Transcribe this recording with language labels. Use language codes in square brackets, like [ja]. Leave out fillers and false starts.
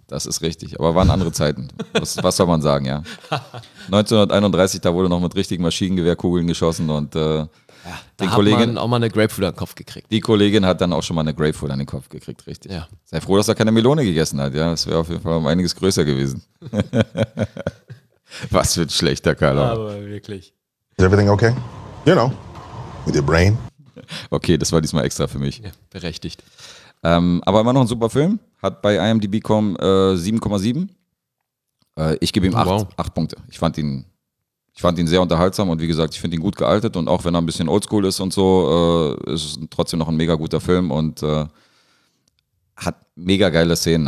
[de] Das ist richtig, aber waren andere Zeiten. Was soll man sagen, ja. 1931, da wurde noch mit richtigen Maschinengewehrkugeln geschossen und ja, die Kollegin hat man auch mal eine Grapefruit an den Kopf gekriegt. Die Kollegin hat dann auch schon mal eine Grapefruit an den Kopf gekriegt, richtig. Ja. Sei froh, dass er keine Melone gegessen hat, ja. Das wäre auf jeden Fall um einiges größer gewesen. Was für ein schlechter Karl. Aber wirklich. [en] Is everything okay? You know, with your brain. [de] Okay, das war diesmal extra für mich. Ja, berechtigt. Aber immer noch ein super Film. Hat bei IMDb.com 7,7. Ich gebe ihm 8 Punkte. Ich fand ihn sehr unterhaltsam und wie gesagt, ich finde ihn gut gealtet und auch wenn er ein bisschen oldschool ist und so, ist es trotzdem noch ein mega guter Film und hat mega geile Szenen.